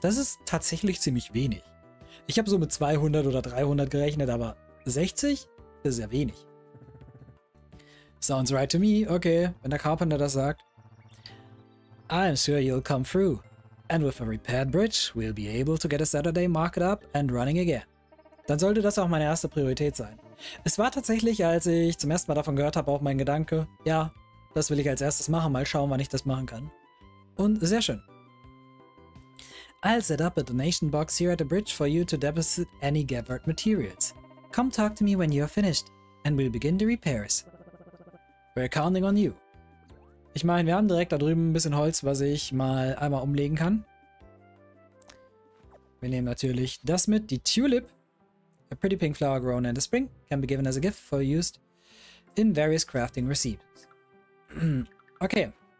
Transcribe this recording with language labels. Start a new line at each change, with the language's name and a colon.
German: Das ist tatsächlich ziemlich wenig. Ich habe so mit 200 oder 300 gerechnet, aber 60? Das ist ja wenig.
English: Sounds right to me.
German: Okay, wenn der Carpenter das sagt.
English: I'm sure you'll come through. And with a repaired bridge, we'll be able to get a Saturday market up and running again.
German: Dann sollte das auch meine erste Priorität sein. Es war tatsächlich, als ich zum ersten Mal davon gehört habe, auch mein Gedanke. Ja, das will ich als erstes machen. Mal schauen, wann ich das machen kann. Und sehr schön.
English: I'll set up a donation box here at the bridge for you to deposit any gathered materials. Come talk to me when you're finished and we'll begin the repairs. We're counting on you.
German: Ich meine, wir haben direkt da drüben ein bisschen Holz, was ich mal einmal umlegen kann. Wir nehmen natürlich das mit, die Tulip.
English: A pretty pink flower grown in the spring can be given as a gift for used in various crafting receipts. Okay.